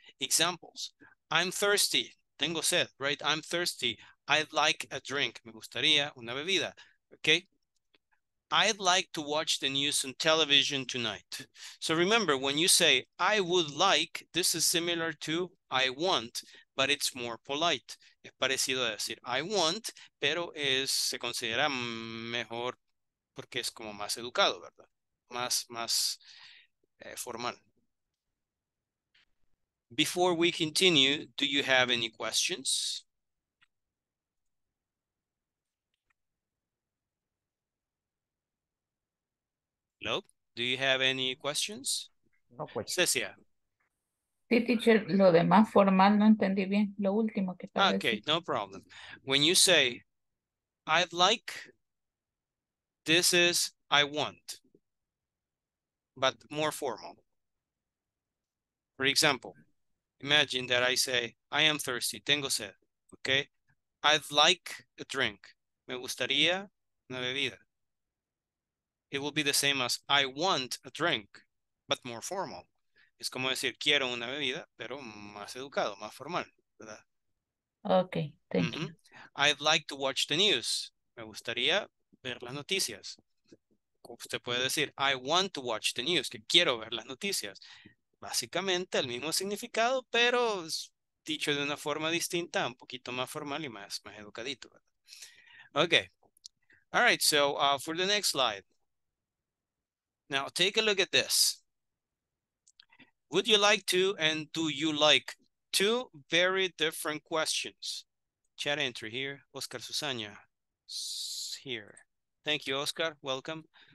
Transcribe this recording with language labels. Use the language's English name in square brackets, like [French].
[English] Examples. I'm thirsty. [Spanish] Tengo sed, [English] right? I'm thirsty. I'd like a drink. [Spanish] Me gustaría una bebida. [English] Okay? I'd like to watch the news on television tonight. So remember, when you say I would like, this is similar to I want, but it's more polite. [Spanish] Es parecido a decir [English] I want, [Spanish] pero es, se considera mejor porque es como más educado, ¿verdad? Más formal. [English] Before we continue, do you have any questions? Hello? Do you have any questions? No questions. Cecilia. [Spanish] Sí, teacher, lo demás formal no entendí bien. Lo último que estaba diciendo. [English] Okay, no problem. When you say, I'd like, this is I want, but more formal. For example, imagine that I say, I am thirsty, [Spanish] tengo sed, [English] okay? I'd like a drink. [Spanish] Me gustaría una bebida. [English] It will be the same as I want a drink, but more formal. [Spanish] Es como decir, quiero una bebida, pero más educado, más formal, ¿verdad? [English] Okay, thank you. I'd like to watch the news. [Spanish] Me gustaría ver las noticias. Usted puede decir, [English] I want to watch the news, [Spanish] que quiero ver las noticias. Básicamente el mismo significado, pero dicho de una forma distinta, un poquito más formal y más educadito. [English] Okay. All right, so for the next slide. Now, take a look at this. Would you like to and do you like? two very different questions. Chat entry here, Oscar Susana. Here. Thank you, Oscar. Welcome.